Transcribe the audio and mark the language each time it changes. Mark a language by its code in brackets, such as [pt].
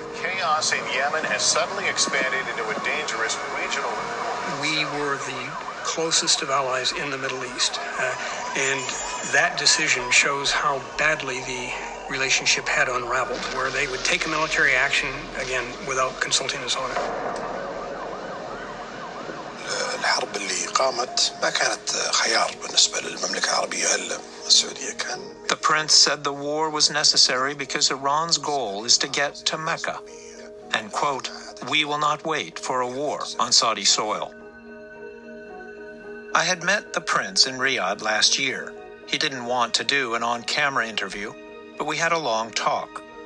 [en] Chaos in Yemen has suddenly expanded into a dangerous regional. We were the closest of allies in the Middle East. And that decision shows how badly the relationship had unraveled, where they would take a military action, again, without consulting us on it. [ar] الحرب اللي قامت ما كانت خيار بالنسبة للمملكة العربية السعودية كان. [en] The prince said the war was necessary because Iran's goal is to get to Mecca. And quote, we will not wait for a war on Saudi soil. I had met the prince in Riyadh last year. He didn't want to do an on-camera interview, but we had a long talk.